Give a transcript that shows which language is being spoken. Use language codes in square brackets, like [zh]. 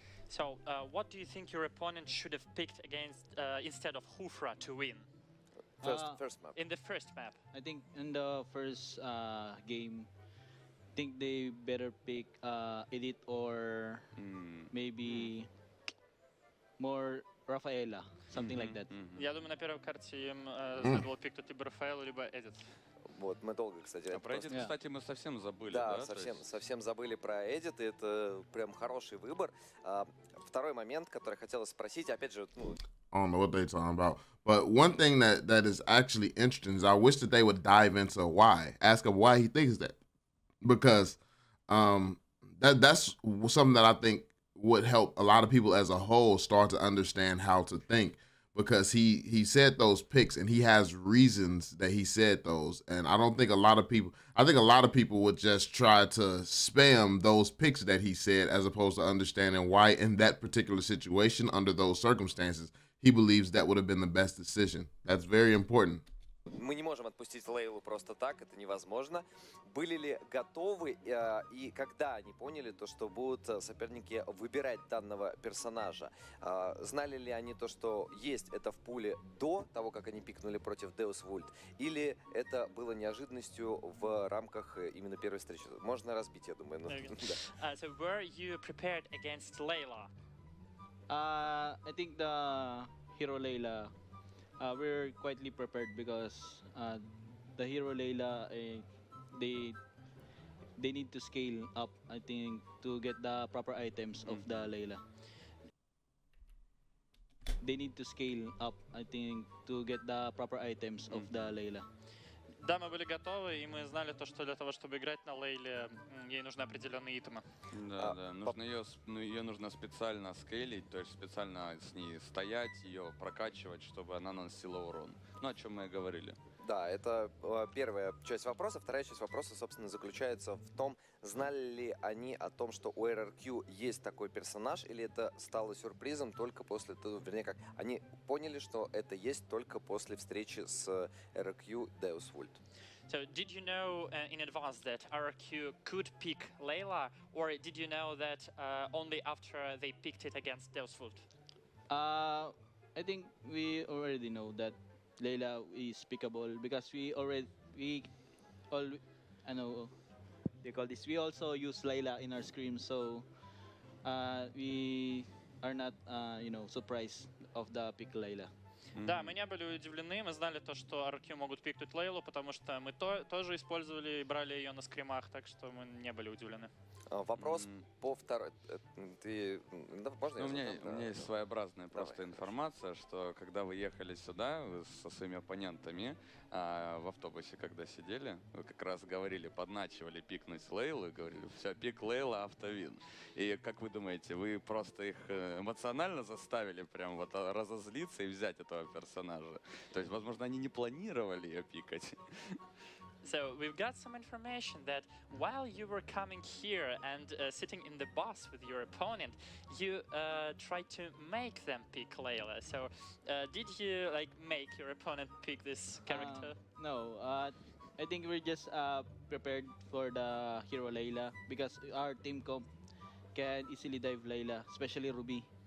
[en] So, what do you think your opponent should have picked against instead of Hufra to win? First map. In the first map. I think in the first game, I think they better pick Edith or maybe more Rafaela, something like that. [ru] Я думаю на первой карте им следовало пикнуть то либо Рафаэла, либо Эдит. Вот, мы долго, кстати, а про Эдит, кстати, мы совсем забыли. Да, совсем забыли про Эдит, и это прям хороший выбор. Второй момент, который хотелось спросить, опять же, ну... [en] I don't know what they're talking about. But one thing that is actually interesting is I wish that they would dive into why. Ask him why he thinks that. Because that's something that I think would help a lot of people as a whole start to understand how to think. Because he said those picks and he has reasons that he said those. And I think a lot of people would just try to spam those picks that he said as opposed to understanding why in that particular situation under those circumstances he believes that would have been the best decision. That's very important. [ru] Мы не можем отпустить Лейлу просто так, это невозможно. Были ли готовы и когда они поняли то, что будут соперники выбирать данного персонажа? Знали ли они то, что есть это в пуле до того, как они пикнули против Deus Vult? Или это было неожиданностью в рамках именно первой встречи? Можно разбить, я думаю. [en] So were you prepared against Layla? I think the hero Layla. We're quietly prepared because the hero Layla, they need to scale up, I think, to get the proper items of the Layla. They need to scale up, I think, to get the proper items of the Layla. [ru] Да, мы были готовы, и мы знали то, что для того, чтобы играть на Лейле, ей нужны определенные итемы. Да, да. Нужно ее нужно специально скейлить, то есть специально с ней стоять, ее прокачивать, чтобы она наносила урон. Ну, о чем мы и говорили. Да, это первая часть вопроса. Вторая часть вопроса, собственно, заключается в том, знали ли они о том, что у RRQ есть такой персонаж, или это стало сюрпризом только после того, вернее, как они поняли, что это есть только после встречи с RRQ Deus Vult. [en] So, did you know in advance that RRQ could pick Layla, or did you know that only after they picked it against Deus Vult? I think we already know that Layla is pickable because we also use Layla in our scrims, so we are not surprised of the pick Layla. [ru] Да, мы не были удивлены, мы знали то, что RRQ могут пикнуть Лейлу, потому что мы тоже использовали и брали ее на скримах, так что мы не были удивлены. Вопрос по второй... Ты... Да, можно ну, у меня есть своеобразная просто давай, информация, хорошо. Что когда вы ехали сюда со своими оппонентами, в автобусе когда сидели, вы как раз говорили, подначивали пикнуть Лейлу и говорили, все, пик Лейла, автовин. И как вы думаете, вы просто их эмоционально заставили прям вот разозлиться и взять этого персонажа? То есть, возможно, они не планировали ее пикать. [en] So we've got some information that while you were coming here and sitting in the bus with your opponent, you tried to make them pick Layla. So did you like make your opponent pick this character? No, I think we're just prepared for the hero Layla because our team comp can easily dive Layla, especially Ruby.